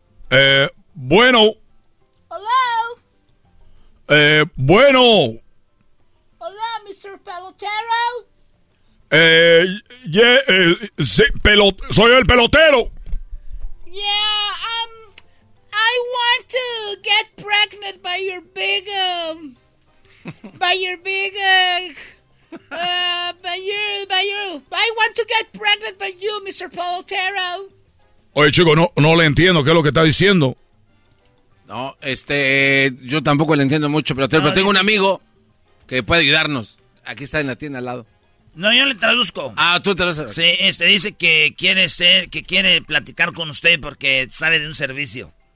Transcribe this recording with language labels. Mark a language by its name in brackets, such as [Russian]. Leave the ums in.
[Spanish] Eh, bueno... Eh, bueno. Hola, Mr. Pelotero. Eh, yeah, eh sí, pelot soy el pelotero. [English] Yeah, um, I want to get pregnant by your big, um, by your big, uh, by you, by you. I want to get pregnant by you, Mr. Pelotero. [Spanish] Oye, chico, no, no le entiendo qué es lo que está diciendo. No, este, eh, yo tampoco le entiendo mucho, pero, no, tengo un amigo que... que puede ayudarnos. Aquí está en la tienda al lado. No, yo le traduzco. Ah, tú traduces. Sí, este dice que quiere ser, que quiere platicar con usted porque sabe de un servicio.